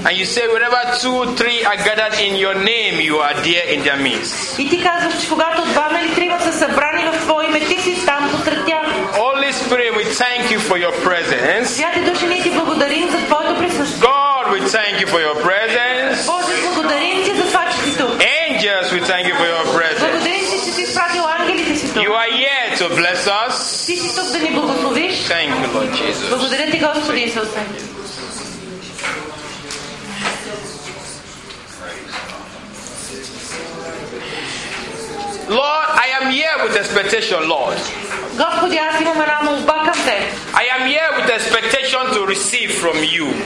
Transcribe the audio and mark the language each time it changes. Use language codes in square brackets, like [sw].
[en] And you say, wherever two or three are gathered in your name, you are there in their midst. [bg] И ти казваш, че когато двама или трима са събрани в Твое име, ти си там посред тях. [en] Holy Spirit, we thank you for your presence. [bg] Святи Души, ние ти благодарим за Твоето присъствие. [en] God, we thank you for your presence. [bg] Боже, благодарим ти за това, че си тук. [en] Angels, we thank you for your presence. [bg] Благодарим ти, че си изпратил ангелите си тук. [en] You are here to bless us. [bg] Ти си тук да ни благословиш. [en] Thank you, Lord Jesus. [bg] Благодаря ти, Господи Исусе. [en] Lord, I am here with expectation, Lord. [bg] Господи, аз имам една молба към теб. [en] I am here with expectation to receive from you.